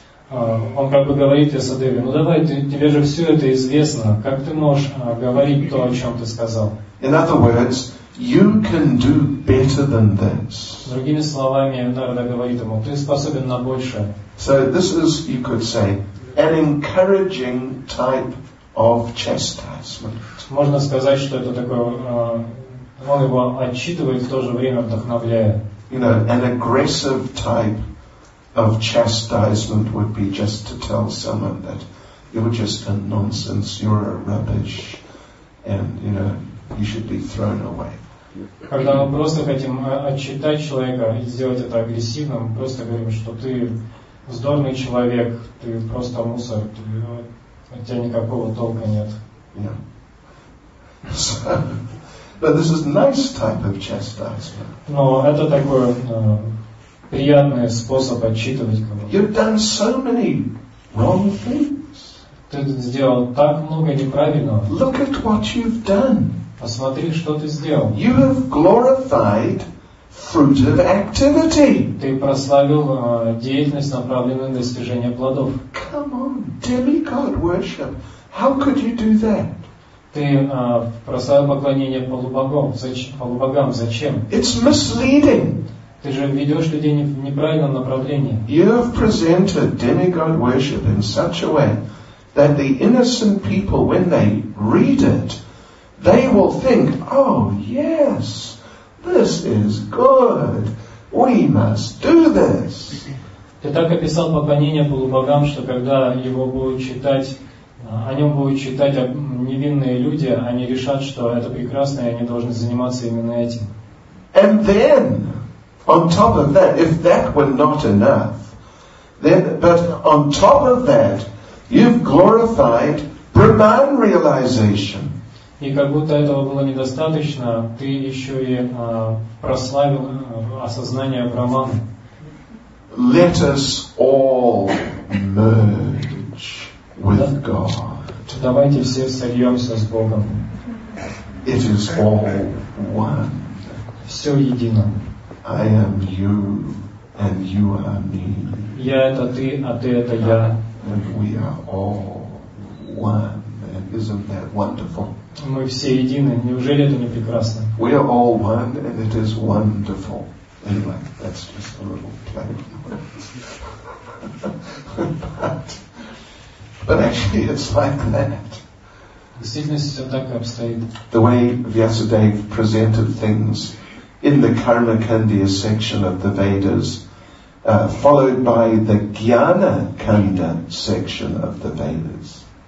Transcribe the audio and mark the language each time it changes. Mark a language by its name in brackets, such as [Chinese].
[Russian] Он как бы говорит Вьясадеве, ну давай, тебе же все это известно. Как ты можешь говорить то, о чем ты сказал? [English] In other words, you can do better than this. [Russian] Другими словами, Нарада говорит ему, ты способен на большее. [English] So this is, you could say, an encouraging type of chastisement. [Russian] Можно сказать, что это такое, он его отчитывает, в то же время вдохновляя. [English] You know, an aggressive type of chastisement would be just to tell someone that you're just a nonsense, you're a rubbish, and, you know, you should be thrown away. [Russian] Когда мы просто хотим отчитать человека и сделать это агрессивным, мы просто говорим, что ты вздорный человек, ты просто мусор, ты, у тебя никакого толка нет. [English] Yeah. So, but this is nice type of chastisement. [Russian] Но это такой приятный способ отчитывать кого-то. [English] You've done so many wrong things. [Russian] Ты сделал так много неправильного. [English] Look at what you've done. [Russian] Посмотри, что ты сделал. [English] You have glorified fruit of activity. [Russian] Ты прославил деятельность, направленную на достижение плодов. [English] Come on, demigod worship. How could you do that? [Russian] Ты прославил поклонение полубогам. Полубогам зачем? [English] It's misleading. [Russian] Ты же ведешь людей в неправильном направлении. [English] You have presented demigod worship in such a way that the innocent people, when they read it, they will think, oh yes, this is good. We must do this. [Russian] Ты так описал поклонение полубогам, что когда его будут читать, о нем будут читать невинные люди, они решат, что это прекрасно, и они должны заниматься именно этим. [English] And then, on top of that, if that were not enough, then, but on top of that, you've glorified Brahman realization. [Russian] И как будто этого было недостаточно, ты еще и прославил осознание Брахмана. [English] Let us all merge with God. [Russian] Давайте все сольемся с Богом. [English] It is all one. [Russian] Все едино. [English] I am you, and you are me. [Russian] Я это ты, а ты это я. [English] And we are all one. And isn't that wonderful? [Russian] Мы все едины. Неужели это не прекрасно? [English] We are all one, and it is wonderful. Anyway, that's just a little play on words. But actually, it's like that. [Russian] Действительность все так обстоит. [English] The way Vyasadeva presented things in the Karmakandiya section of the Vedas, followed by the Jnanakandiya section of the Vedas.